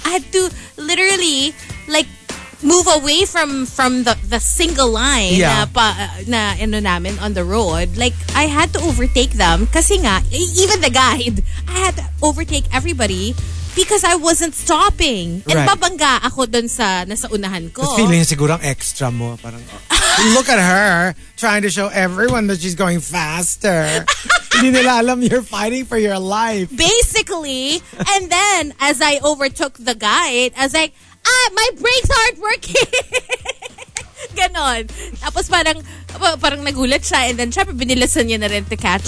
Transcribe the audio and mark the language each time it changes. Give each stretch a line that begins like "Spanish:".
English: I had to literally, like, move away from the single line, yeah. na on the road. Like, I had to overtake them
Filipino: kasi nga,
English: even the guide, I had to overtake everybody because I wasn't stopping. And right.
Filipino: Babangga ako dun sa nasa unahan ko.
English: The feeling
Filipino: siguro ang extra mo.
English: Parang, look at her trying to show everyone that she's going faster.
Filipino: Hindi nila alam
English: you're fighting for your life. Basically. And then, as I overtook the guide, I was like, my brakes aren't working!
Filipino: Ganon. Tapos parang nagulat siya
English: and then
Filipino: syempre binilisan niya na rin
English: to catch